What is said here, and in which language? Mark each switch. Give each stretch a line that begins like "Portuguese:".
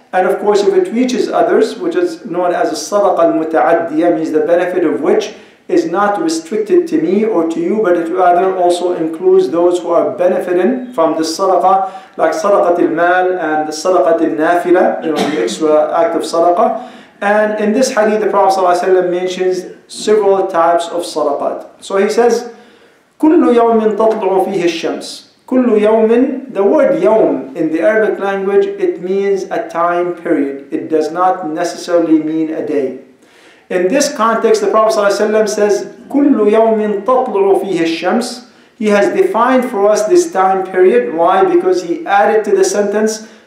English: And of course, if it reaches others, which is known as a sadaqa al-muta'addiya, means the benefit of which is not restricted to me or to you, but it rather also includes those who are benefiting from the sadaqa, like sadaqa al-mal and the sadaqa al-nafila, you know, the extra act of sadaqa. And in this hadith, the Prophet ﷺ mentions several types of sadaqat.
Arabic: So he says, كُلُّ يَوْمٍ تَطْلُعُ فِيهِ الشَّمْسِ. Kullu yawmin,
English: the word yawm in the Arabic language, it means a time period. It does not necessarily mean a day. In this context, the Prophet ﷺ says,
Arabic: kullu yawmin tatlu'u fihi ash-shams.
English: He has defined for us this time period. Why? Because he added to the sentence,